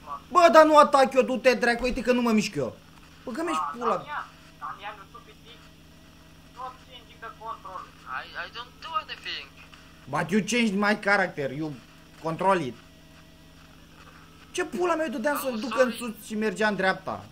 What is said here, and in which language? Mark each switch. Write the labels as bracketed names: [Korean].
[Romanian] Bă, dar nu atac eu, du-te, dracu, uite că nu mă mișc eu! Bă, că mi-ești pula! Damian, nu tu pitic! [English] Stop changing the control! I don't do anything! But you changed my character, you control it! [Romanian] Ce pula mea, dădeam să-l duc în sus și mergea în dreapta!